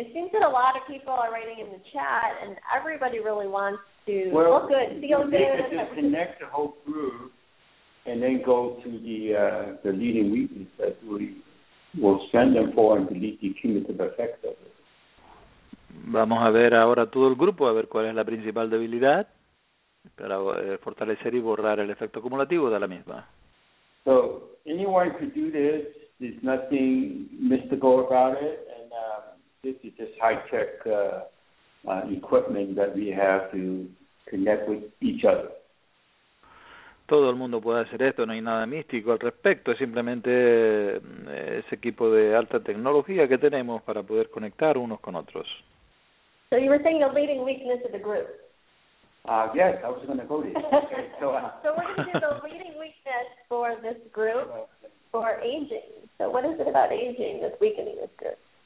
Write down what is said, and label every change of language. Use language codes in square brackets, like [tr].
[en] It seems that a lot of people are writing in the chat, and everybody really wants to look good, feel good. They could just connect the whole group and then go to the leading weakness that we will send them for and delete the cumulative effect of it. [es] Vamos a ver ahora todo el grupo a ver cuál es la principal debilidad para fortalecer y borrar el efecto acumulativo de la misma. [en] So anyone could do this. There's nothing mystical about it, and this is just high-tech equipment that we have to connect with each other. [es] Todo el mundo puede hacer esto, no hay nada místico al respecto, es simplemente ese equipo de alta tecnología que tenemos para poder conectar unos con otros. [en] So you were saying the leading weakness of the group. Yes, I was going to go there. So we're going to do the leading weakness for this group for aging. So what is it about aging that's weakening this group?